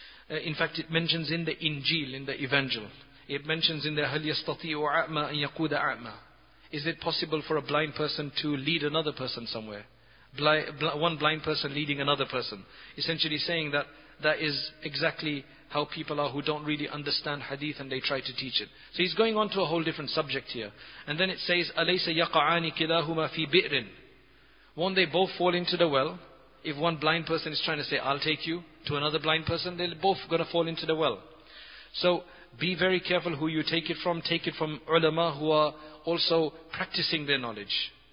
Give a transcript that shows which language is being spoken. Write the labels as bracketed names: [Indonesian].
[English] In fact, it mentions in the Injil, in the Evangel, it mentions in the [Arabic] هَلْ يَسْتَطِيعُ أَعْمَى أَنْ يَقُودَ أَعْمَى. [English] Is it possible for a blind person to lead another person somewhere? One blind person leading another person. Essentially saying that that is exactly how people are who don't really understand hadith and they try to teach it. So he's going on to a whole different subject here. And then it says, [Arabic] أَلَيْسَ يَقَعَانِ كِلَاهُمَا فِي بِئْرٍ. [English] Won't they both fall into the well? If one blind person is trying to say, I'll take you, to another blind person, they're both going to fall into the well. So be very careful who you take it from. Take it from ulama who are also practicing their knowledge.